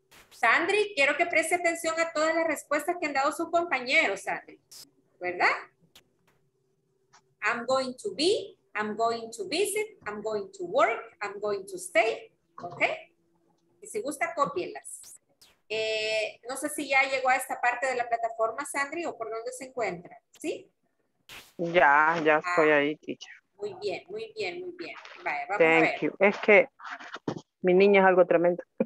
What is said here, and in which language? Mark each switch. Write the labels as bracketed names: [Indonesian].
[Spanish] Sandri, quiero que preste atención a todas las respuestas que han dado sus compañeros, Sandri. ¿Verdad? [English] I'm going to visit, I'm going to work, I'm going to stay. [Spanish] ¿Ok? Y si gusta, cópielas. No sé si ya llegó a esta parte de la plataforma, Sandri, o por dónde se encuentra. ¿Sí? Ya estoy ahí, teacher. Muy bien. Vale, vamos Thank a ver. You. Es que mi niña es algo tremendo.